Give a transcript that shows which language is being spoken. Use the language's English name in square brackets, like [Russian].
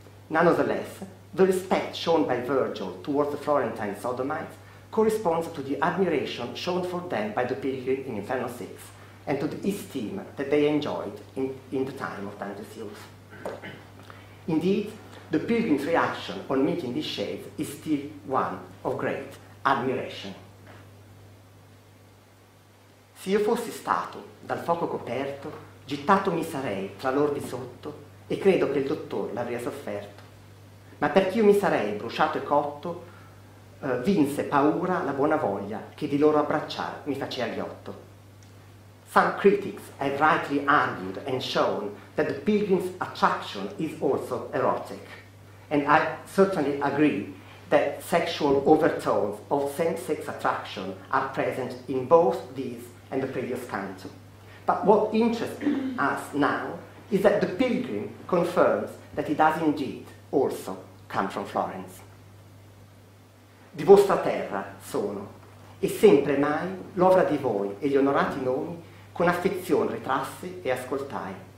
[English] Nonetheless, the respect shown by Virgil towards the Florentine sodomites corresponds to the admiration shown for them by the pilgrim in Inferno 6 and to the esteem that they enjoyed in the time of Dante's youth. Indeed, the pilgrim's reaction on meeting these shades is still one of great admiration. [Italian] Se io fossi stato dal fuoco coperto, gittato mi sarei tra lor di sotto e credo che il dottor l'avria sofferto. Ma perché io mi sarei bruciato e cotto, vinse paura la buona voglia che di loro abbracciar mi faceva ghiotto. [English] Some critics have rightly argued and shown that the pilgrim's attraction is also erotic, and I certainly agree that sexual overtones of same-sex attraction are present in both these and the previous canto. But what interests us now is that the pilgrim confirms that he does indeed also come from Florence. [Italian] Di vostra terra sono, e sempre mai l'ovra di voi e gli onorati nomi con affezione ritrassi e ascoltai.